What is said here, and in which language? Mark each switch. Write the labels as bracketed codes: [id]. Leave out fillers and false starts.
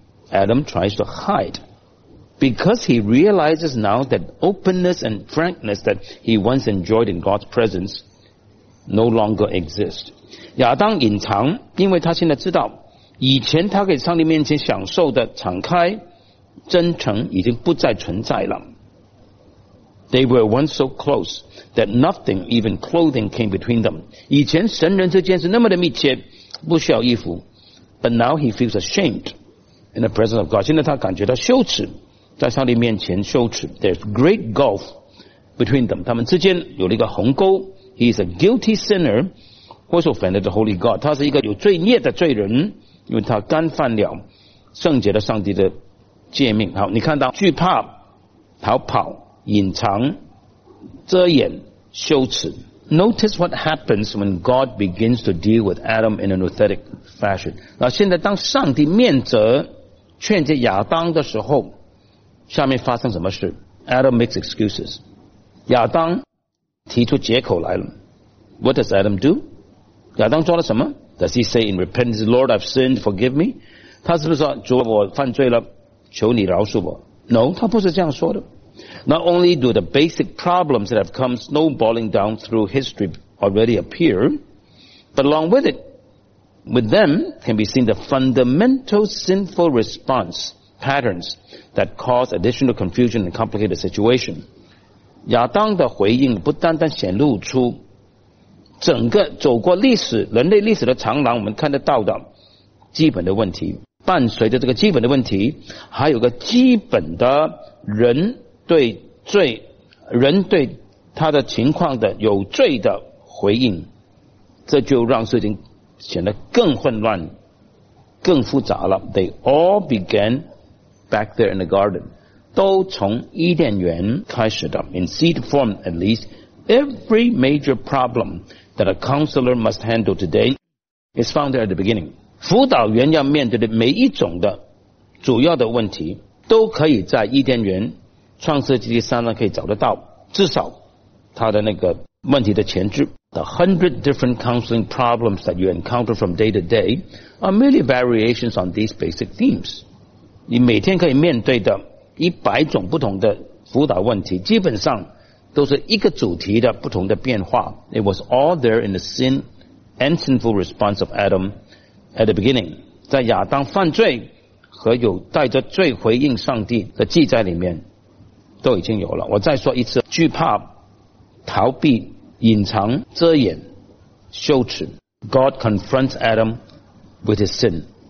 [en] Adam tries to hide because he realizes now that openness and frankness that he once enjoyed in God's presence no longer exist。 [zh] 亚当隐藏，因为他现在知道以前他给上帝面前享受的敞开真诚已经不再存在了。 [en] They were once so close that nothing, even clothing, came between them. [zh] 以前神人之间是那么的密切，不需要衣服。 [en] But now he feels ashamed in the presence of God. [zh] 现在他感觉到羞耻，在上帝面前羞耻。 [en] There's great gulf between them. [zh] 他们之间有了一个鸿沟。 [en] He is a guilty sinner who has offended the holy God. [zh] 他是一个有罪孽的罪人，因为他干犯了圣洁的上帝的诫命。好，你看到惧怕、逃跑、隐藏、遮掩、羞耻。 [en] Notice what happens when God begins to deal with Adam in an authentic fashion. [zh] 那现在当上帝面责劝诫亚当的时候，下面发生什么事？ [en] Adam makes excuses. [zh] 亚当提出借口来了。 [en] What does Adam do? [zh] 亚当做了什么？ [en] Does he say in repentance, Lord, I've sinned, forgive me? [zh] 他是不是说，主，我犯罪了，求你饶恕我？ No, 他不是这样说的。 [en] Not only do the basic problems that have come snowballing down through history already appear, but along with it, with them can be seen the fundamental sinful response patterns that cause additional confusion and complicated situation. [zh] 亚当的回应不单单显露出整个走过历史，人类历史的长廊，我们看得到的基本的问题。伴随着这个基本的问题，还有个基本的人对罪，人对他的情况的有罪的回应，这就让事情显得更混乱、更复杂了。 [en] They all began back there in the garden， [zh] 都从伊甸园开始的。 [en] In seed form, at least, every major problem that a counselor must handle today is found there at the beginning。 [zh] 辅导员要面对的每一种的主要的问题，都可以在伊甸园创世纪第三章可以找得到，至少他的那个问题的前置。 [en] The hundred different counseling problems that you encounter from day to day are merely variations on these basic themes. [zh] 你每天可以面对的一百种不同的辅导问题，基本上都是一个主题的不同的变化。 [en] It was all there in the sin and sinful response of Adam at the beginning. [zh] 在亚当犯罪和有带着罪回应上帝的记载里面都已经有了。我再说一次，惧怕、逃避、隐藏、遮掩、羞耻。 [en] God confronts Adam with his sin.